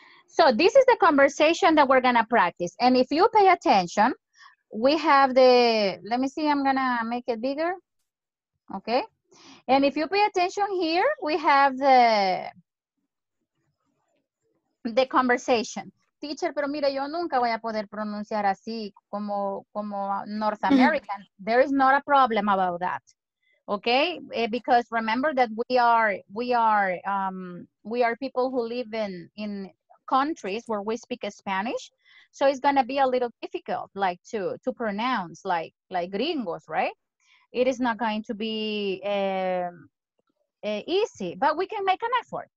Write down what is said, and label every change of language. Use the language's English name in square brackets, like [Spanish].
[English] So this is the conversation that we're going to practice. And if you pay attention, we have the, let me see, I'm going to make it bigger. Okay. And if you pay attention here, we have the conversation. [Spanish] teacher, pero mire, yo nunca voy a poder pronunciar así como, como North American. [English] There is not a problem about that. Okay? Because remember that we are people who live in countries where we speak Spanish. So it's going to be a little difficult, like, to pronounce, like gringos, right? It is not going to be easy, but we can make an effort.